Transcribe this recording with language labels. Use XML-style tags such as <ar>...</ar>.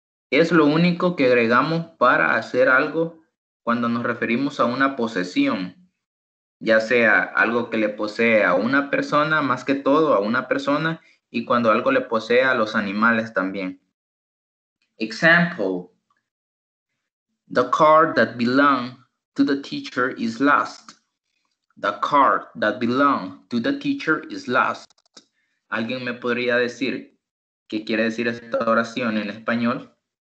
<es>Es lo único que agregamos para hacer algo cuando nos referimos a una posesión. Ya sea algo que le posee a una persona, más que todo a una persona, y cuando algo le posee a los animales también.</es> <en>Example. The card that belongs to the teacher is lost. The card that belongs to the teacher is lost.</en> <es>¿Alguien me podría decir qué quiere decir esta oración en español?</es>